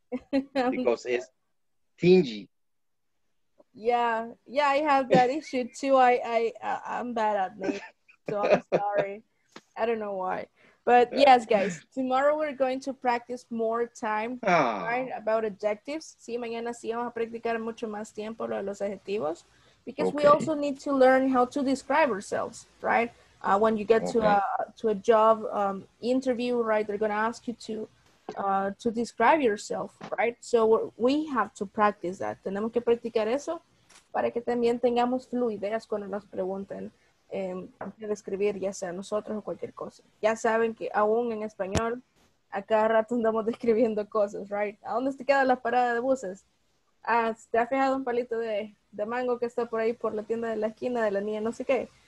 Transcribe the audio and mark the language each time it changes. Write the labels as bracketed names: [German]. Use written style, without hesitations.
[English] Because it's Tingy. Yeah, I have that issue too. I'm bad at names, so I'm sorry. I don't know why. But yes, guys, tomorrow we're going to practice more time about adjectives. [Spanish] Sí, mañana sí vamos a practicar mucho más tiempo lo de los adjetivos. [English] Because we also need to learn how to describe ourselves, right? When you get to a job interview, right, they're going to ask you to describe yourself, right? So we have to practice that. [Spanish] Tenemos que practicar eso para que también tengamos fluidez cuando nos pregunten. Describir ya sea nosotros o cualquier cosa. Ya saben que aún en español a cada rato andamos describiendo cosas, [English] right? [Spanish] ¿A dónde te queda la parada de buses? Ah, ¿te has fijado un palito de mango que está por ahí por la tienda de la esquina de la niña no sé qué?